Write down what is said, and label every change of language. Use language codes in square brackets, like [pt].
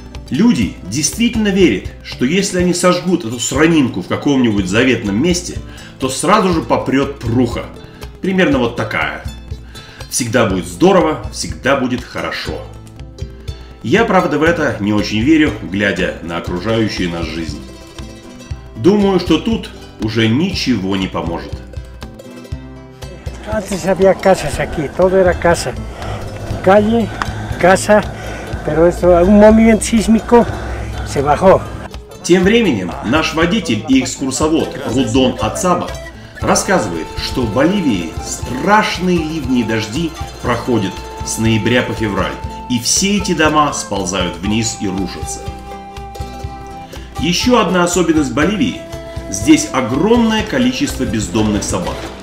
[ru] Люди действительно верят, что если они сожгут эту сранинку в каком-нибудь заветном месте, то сразу же попрет пруха. Примерно вот такая. Всегда будет здорово, всегда будет хорошо. Я, правда, в это не очень верю, глядя на окружающую нас жизнь. Думаю, что тут уже ничего не поможет. [es] Antes había casas aquí, todo era casa. Calle, casa, pero esto un movimiento sísmico se bajó. [ru] Тем временем наш водитель и экскурсовод Рудон Ацаба рассказывает, что в Боливии страшные ливни и дожди проходят с ноября по февраль и все эти дома сползают вниз и рушатся. Еще одна особенность Боливии – здесь огромное количество бездомных собак.